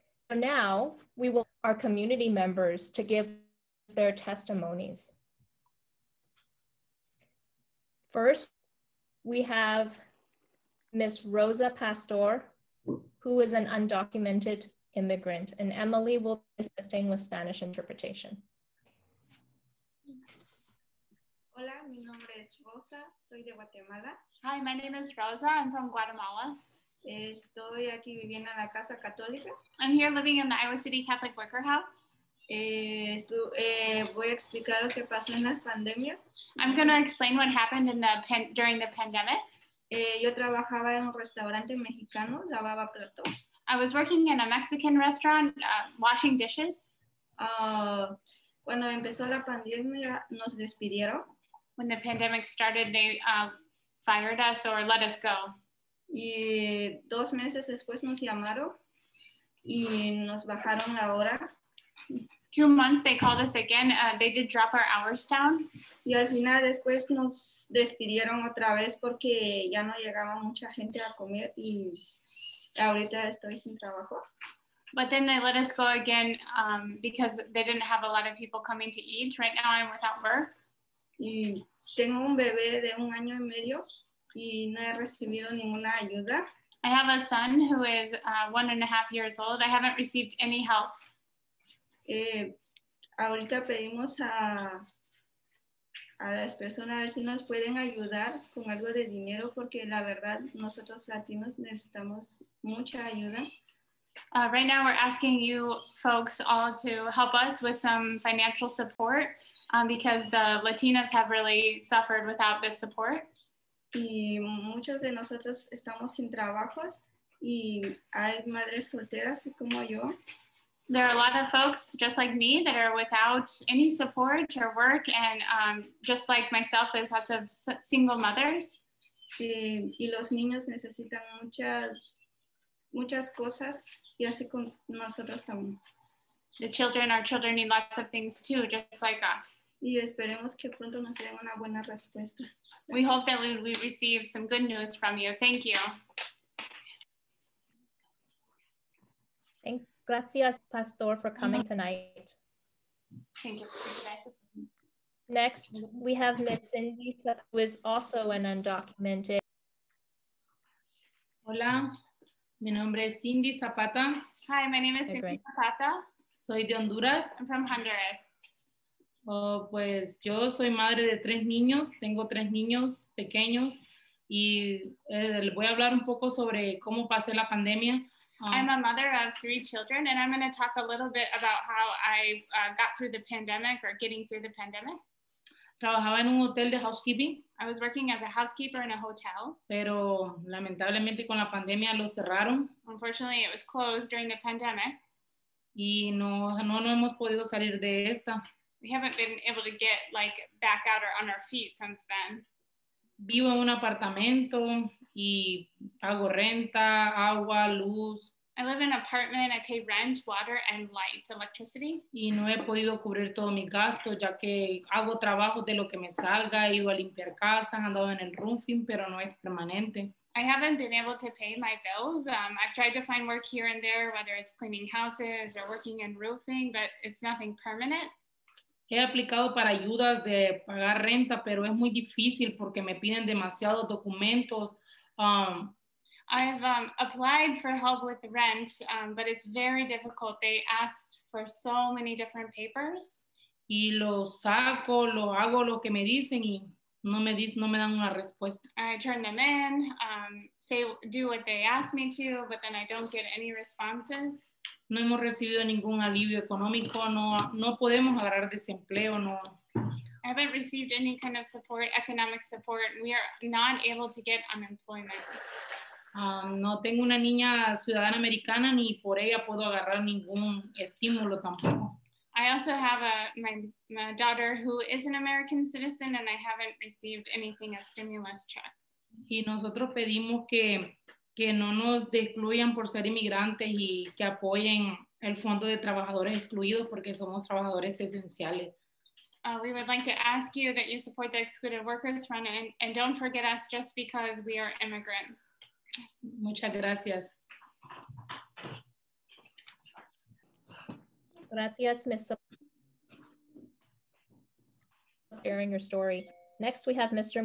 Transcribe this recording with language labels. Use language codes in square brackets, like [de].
[en] So now we will ask our community members to give their testimonies. First, we have Ms. Rosa Pastor, who is an undocumented immigrant, and Emily will be assisting with Spanish interpretation. [es] Hola, mi nombre es Rosa, soy de Guatemala. [en] Hi, my name is Rosa, I'm from Guatemala. [es] Estoy aquí viviendo en la casa católica. [en] I'm here living in the Iowa City Catholic Worker House. [es] Voy a explicar lo que pasó en la pandemia. [en] I'm going to explain what happened in the during the pandemic. [es] Yo trabajaba en un restaurante mexicano, lavaba platos. [en] I was working in a Mexican restaurant, washing dishes. [es] Cuando empezó la pandemia, nos despidieron. [en] When the pandemic started, they fired us or let us go. [es] Y dos meses después nos llamaron y nos bajaron la hora. [en] 2 months, they called us again. They did drop our hours down. [es] Y al final, después nos despidieron otra vez porque ya no llegaba mucha gente a comer y ahorita estoy sin trabajo. [en] But then they let us go again because they didn't have a lot of people coming to eat. Right now I'm without work. [es] Y tengo un bebé de un año y medio y no he recibido ninguna ayuda. [en] I have a son who is 1.5 years old. I haven't received any help. [es] Ahorita pedimos a las personas a ver si nos pueden ayudar con algo de dinero porque la verdad nosotros latinos necesitamos mucha ayuda. [en] Right now we're asking you folks all to help us with some financial support because the Latinas have really suffered without this support. [es] Y muchos de nosotros estamos sin trabajos y hay madres solteras como yo. [en] There are a lot of folks just like me that are without any support or work. And just like myself, there's lots of single mothers. [es] Sí, y los niños necesitan muchas cosas. Y así con nosotros también. [en] The children, our children need lots of things too, just like us. Y esperemos que pronto nos den una buena respuesta. We hope that we receive some good news from you. Thank you. [es] Gracias, [en] Pastor, for coming tonight. Thank you. Next, we have Ms. Cindy, who is also an undocumented. [es] Hola, mi nombre es Cindy Zapata. [en] Hi, my name is Cindy Zapata. [es] Soy de Honduras. [en] I'm from Honduras. [es] Oh, pues yo soy madre de tres niños. Tengo tres niños pequeños. Y voy a hablar un poco sobre cómo pasé la pandemia. [en] I'm a mother of three children, and I'm going to talk a little bit about how I got through the pandemic or getting through the pandemic. [es] Trabajaba en un hotel de housekeeping. [en] I was working as a housekeeper in a hotel. [es] Pero lamentablemente con la pandemia lo cerraron. [en] Unfortunately, it was closed during the pandemic. [es] Y no hemos podido salir de esta. [en] We haven't been able to get like back out or on our feet since then. [es] Vivo en un apartamento. Y pago renta, agua, luz. [en] I live in an apartment and I pay rent, water, and light, electricity. [es] Y no he podido cubrir todos mis gastos, ya que hago trabajo de lo que me salga, he ido a limpiar casas, he andado en el roofing, pero no es permanente. [en] I haven't been able to pay my bills. I've tried to find work here and there, whether it's cleaning houses or working in roofing, but it's nothing permanent. [es] He aplicado para ayudas de pagar renta, pero es muy difícil porque me piden demasiados documentos. [en] I've applied for help with rent, but it's very difficult. They ask for so many different papers. [es] Y lo saco, lo hago lo que me dicen y no me dan una respuesta. [en] I turn them in, do what they ask me to, but then I don't get any responses. [es] No hemos recibido ningún alivio económico, no podemos agarrar desempleo, no. [en] I haven't received any kind of support, economic support. We are not able to get unemployment. [es] No tengo una niña ciudadana americana ni por ella puedo agarrar ningún estímulo tampoco. [en] I also have my daughter who is an American citizen and I haven't received anything, a stimulus check. [es] Y nosotros pedimos que no nos excluyan por ser inmigrantes y que apoyen el fondo de trabajadores excluidos porque somos trabajadores esenciales. [en] We would like to ask you that you support the excluded workers fund and don't forget us just because we are immigrants. [es] Muchas gracias. Gracias, [en] Ms. for sharing your story. Next, we have Mr.